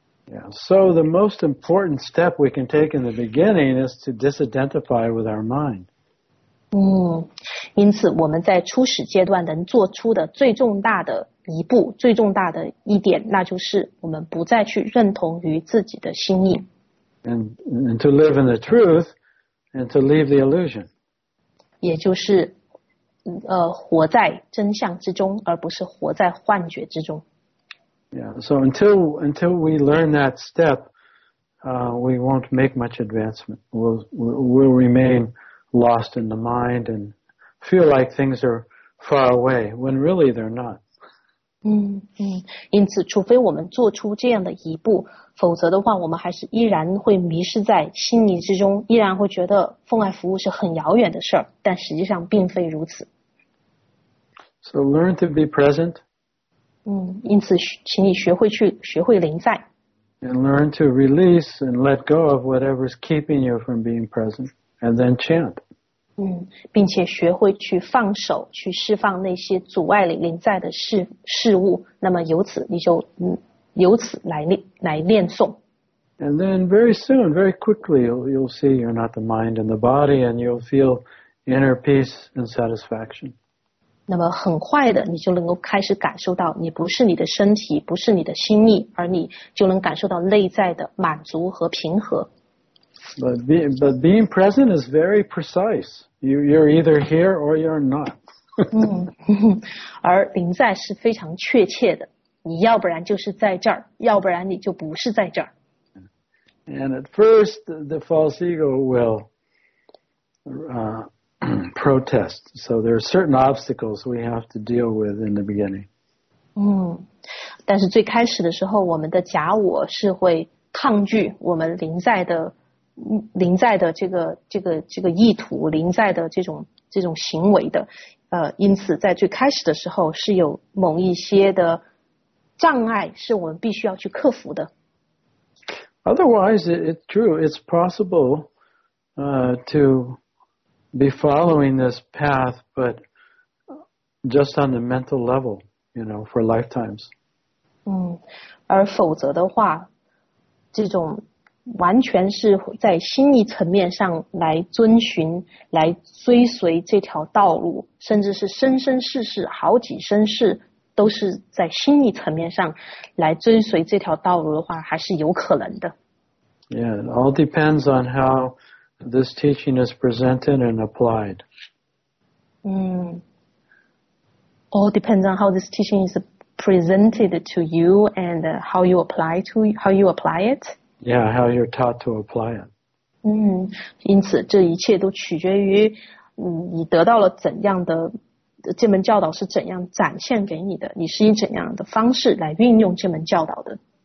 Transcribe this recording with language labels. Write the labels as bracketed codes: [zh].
[en] Yeah, so the most important step we can take in the beginning is to disidentify with our mind. [zh] 因此我们在初始阶段能做出的最重大的一步，最重大的一点，那就是我们不再去认同于自己的心意。 [en] And to live in the truth and to leave the illusion. [zh] 也就是活在真相之中，而不是活在幻觉之中。 [en] Yeah, so until we learn that step, we won't make much advancement. We'll remain lost in the mind and feel like things are far away, when really they're not. [zh] 因此除非我们做出这样的一步，否则的话我们还是依然会迷失在心理之中，依然会觉得奉爱服务是很遥远的事，但实际上并非如此。 [en] So learn to be present. [zh] 因此请你学会去学会临在。 [en] And learn to release and let go of whatever's keeping you from being present, and then chant. [zh] 并且学会去放手，去释放那些阻碍你临在的事物，那么由此你就由此来念诵。 [en] And then very soon, very quickly, you'll see you're not the mind and the body, and you'll feel inner peace and satisfaction. [zh] 那么很快的你就能够开始感受到你不是你的身体，不是你的心意，而你就能感受到内在的满足和平和。 [en] But being present is very precise. You're either here or you're not. [zh] 而临在是非常确切的，你要不然就是在这儿，要不然你就不是在这儿。 [en] And at first, the false ego will, protest. So there are certain obstacles we have to deal with in the beginning. [zh] 但是最开始的时候，我们的假我是会抗拒我们临在的这个意图，临在的这种行为的。因此在最开始的时候是有某一些的障碍是我们必须要去克服的。 [en] Otherwise, it's true. It's possible, to. Be following this path, but just on the mental level, you know, for lifetimes. [zh] 而否则的话，这种完全是在心理层面上来遵循、来追随这条道路，甚至是生生世世、好几生世，都是在心理层面上来追随这条道路的话，还是有可能的。 [en] Yeah, it all depends on how. This teaching is presented and applied. All depends on how this teaching is presented to you and how you apply it. Yeah, how you're taught to apply it. [zh] 因此这一切都取决于你得到了怎样的这门教导是怎样展现给你的，你是以怎样的方式来运用这门教导的。